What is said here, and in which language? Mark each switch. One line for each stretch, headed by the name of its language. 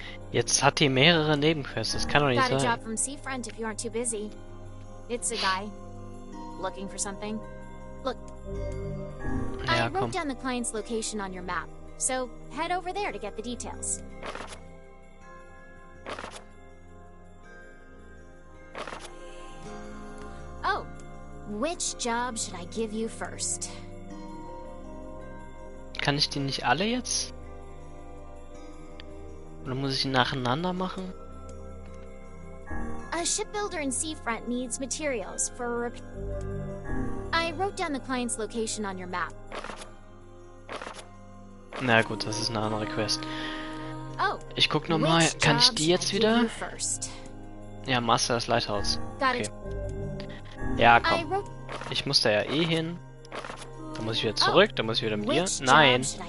German: Jetzt hat die mehrere Nebenquests, das kann doch nicht sein.
English: Got a job from Seafront if you aren't too busy. It's a guy. Looking for something. Look.
German: Ja,
English: I wrote down the client's location on your map. So head over there to get the details. Oh, which job should I give you first?
German: Kann ich die nicht alle jetzt? Oder muss ich nacheinander machen?
English: A shipbuilder in Seafront needs materials for a repair. I wrote down the client's location on your map.
German: Na gut, das ist eine andere Quest. Oh, ich guck nochmal, kann ich die jetzt wieder? Ja, Master des Lighthouses. Okay. Ja, komm. Ich muss da ja eh hin. Da muss ich wieder zurück, da muss ich wieder mit ihr. Nein.